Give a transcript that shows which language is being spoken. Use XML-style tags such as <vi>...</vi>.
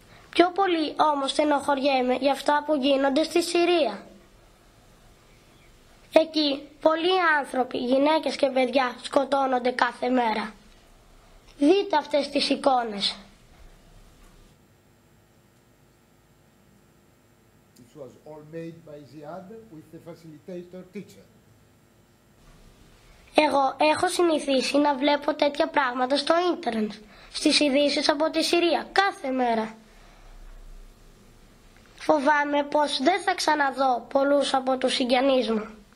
<el>Πιο πολύ όμως συνοχωριέμαι για αυτά που γίνονται στη Συρία. Εκεί πολλοί άνθρωποι, γυναίκες και παιδιά, σκοτώνονται κάθε μέρα. Δείτε αυτές τις εικόνες.</el> <en>It was all made by Ziad with the facilitator teacher.</en> <el>Εγώ έχω συνηθίσει να βλέπω τέτοια πράγματα στο ίντερνετ, στις ειδήσεις από τη Συρία, κάθε μέρα. Φοβάμαι πως δεν θα ξαναδώ πολλούς από τους συγγενείς μου.</el>